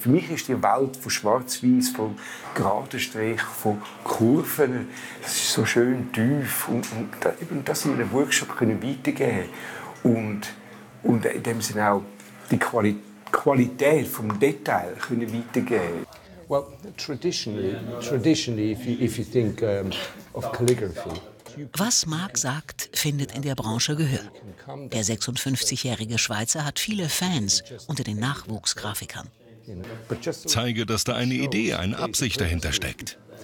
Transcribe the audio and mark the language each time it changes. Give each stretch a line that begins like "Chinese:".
German: Für mich ist die Welt von Schwarz-Weiß, von geraden Strichen, von Kurven, das ist so schön tief. Und das in einem Workshop können weitergeben. Und in dem Sinne auch die Qualität vom Detail können weitergeben.
English: Well, traditionally, if you think of calligraphy.
German: Was Marc sagt, findet in der Branche Gehör. Der 56-jährige Schweizer hat viele Fans unter den Nachwuchsgrafikern. Zeige, dass da eine Idee, eine Absicht dahinter steckt.